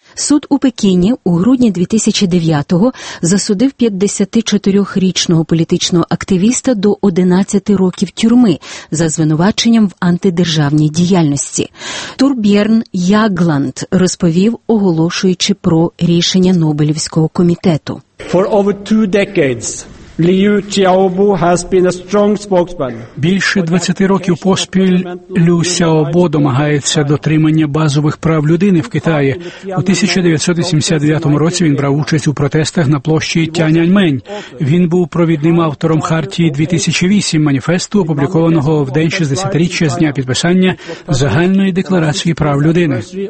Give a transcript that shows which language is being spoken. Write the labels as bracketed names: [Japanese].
[Ukrainian] Суд у Пекіні у грудні 2009-го засудив 54-річного політичного активіста до 11 років тюрми за звинуваченням в антидержавній діяльності. Турбєрн Ягланд розповів, оголошуючи про рішення Нобелівського комітету. [English] For over two decades. Лю Сяобо has been a strong spokesman. [Ukrainian] Більше 20 років поспіль Лю Сяобо домагається дотримання базових прав людини в Китаї. У 1989 році він брав участь у протестах на площі Тяньаньмень. Він був провідним автором хартії 2008 маніфесту, опублікованого в день 60-річчя з дня підписання Загальної декларації прав людини.